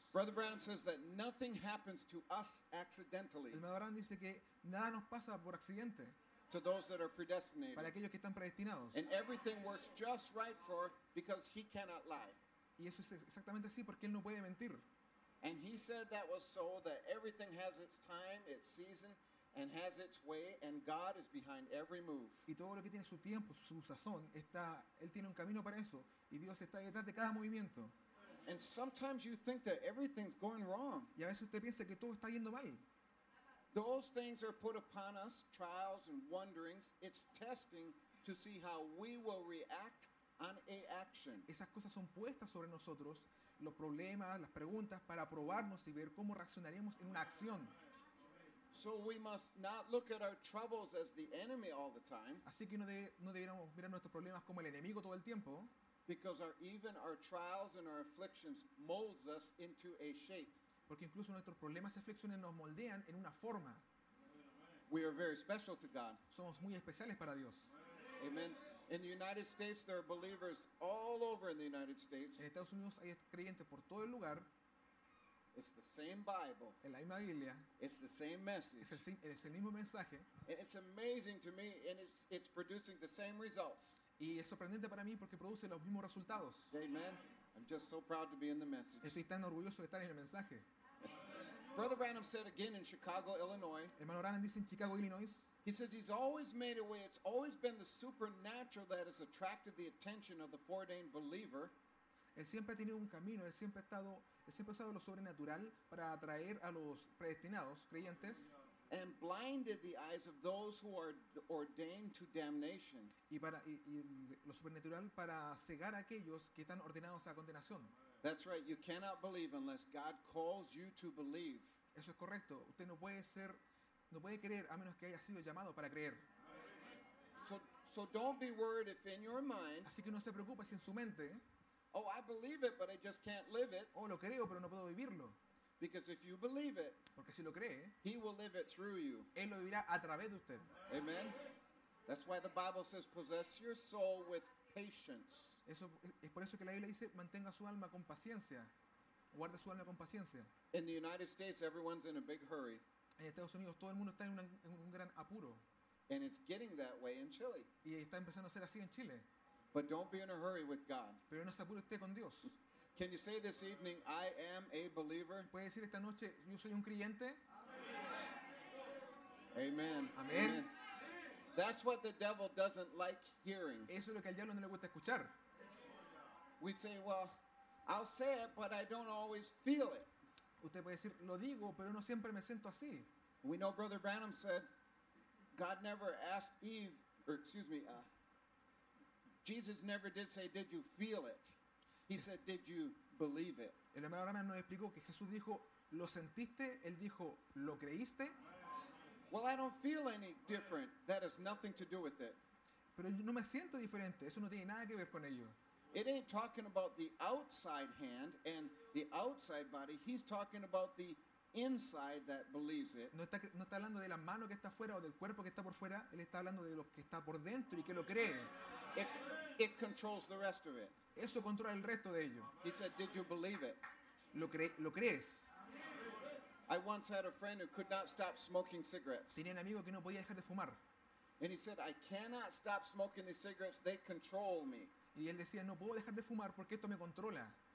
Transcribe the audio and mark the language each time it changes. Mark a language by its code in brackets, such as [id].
[en] Brother Branham says that nothing happens to us accidentally. [es] El hermano Branham dice que nada nos pasa por accidente. [en] To those that are predestinated. [es] Para aquellos que están predestinados. [en] And everything works just right for because he cannot lie. [es] Y eso es exactamente así porque él no puede mentir. [en] And he said that was so that everything has its time, its season, and has its way, and God is behind every move. [es] Y todo lo que tiene su tiempo, su sazón, está. Él tiene un camino para eso, y Dios está detrás de cada movimiento. [en] And sometimes you think that everything's going wrong. [es] Y a veces usted piensa que todo está yendo mal. [en] Those things are put upon us, trials and wonderings. It's testing to see how we will react on a action. [es] Esas cosas son puestas sobre nosotros, los problemas, las preguntas, para probarnos y ver cómo reaccionaremos en una acción. [en] So we must not look at our troubles as the enemy all the time. [es] Así que no deberíamos mirar nuestros problemas como el enemigo todo el tiempo. [en] Because even our trials and our afflictions molds us into a shape. [es] Porque incluso nuestros problemas y aflicciones nos moldean en una forma. [en] We are very special to God. [es] Somos muy especiales para Dios. [en] Amen. In the United States, there are believers all over in the United States. [es] En Estados Unidos hay creyentes por todo el lugar. [en] It's the same Bible. [es] En la misma Biblia. [en] It's the same message. [es] Es el mismo mensaje. [en] And it's amazing to me, and it's producing the same results. [es] Y es sorprendente para mí porque produce los mismos resultados. [en] Amen. I'm just so proud to be in the message. [es] Estoy tan orgulloso de estar en el mensaje. [en] Brother Branham said again in Chicago, Illinois. [es] Hermano Branham dice en Chicago, Illinois. [en] He says he's always made a way. It's always been the supernatural that has attracted the attention of the foreordained believer. [es] Él siempre ha tenido un camino. Él siempre ha usado lo sobrenatural para atraer a los predestinados, creyentes. [en] And blinded the eyes of those who are ordained to damnation. [es] Y lo sobrenatural para cegar a aquellos que están ordenados a condenación. [en] That's right. You cannot believe unless God calls you to believe. [es] Eso es correcto. Usted no puede ser, no puede creer a menos que haya sido llamado para creer. [en] So don't be worried if in your mind. [es] Así que no se preocupe si en su mente. [en] Oh, I believe it, but I just can't live it. [es] Oh, lo creo, pero no puedo vivirlo. [en] Because if you believe it, [es] porque si lo cree, [en] he will live it through you. [es] Él lo vivirá a través de usted. [en] Amen. That's why the Bible says, possess your soul with patience. [es] Eso es por eso que la Biblia dice, mantenga su alma con paciencia. Guarde su alma con paciencia. [en] In the United States, everyone's in a big hurry. [es] En Estados Unidos, todo el mundo está en un gran apuro. [en] And it's getting that way in Chile. [es] Y está empezando a ser así en Chile. [en] But don't be in a hurry with God. [es] Pero no se apure usted con Dios. [en] Can you say this evening, I am a believer? [es] ¿Puede decir esta noche, yo soy un creyente? [en] Amen. Amen. Amen. That's what the devil doesn't like hearing. [es] Eso es lo que al diablo no le gusta escuchar. [en] We say, well, I'll say it, but I don't always feel it. [es] Usted puede decir, lo digo, pero no siempre me siento así. [en] We know Brother Branham said, God never asked Eve, or excuse me, Jesus never did say, did you feel it? He said, did you believe it? [es] El hermano Branham nos explicó que Jesús dijo, ¿lo sentiste? Él dijo, ¿lo creíste? [en] Well, I don't feel any different. That has nothing to do with it. [es] Pero no me siento diferente. Eso no tiene nada que ver con ello. [en] It ain't talking about the outside hand and the outside body. He's talking about the inside that believes it. [es] No está hablando de la mano que está afuera o del cuerpo que está por fuera. Él está hablando de lo que está por dentro y que lo cree. [en] It controls the rest of it. [es] Eso controla el resto de ello. [en] He said, did you believe it? [es] Lo crees? [en] I once had a friend who could not stop smoking cigarettes. [es] Tenía un amigo que no podía dejar de fumar. [en] And he said, I cannot stop smoking these cigarettes. They control me. [es] Y él decía, no puedo dejar de fumar porque esto me controla.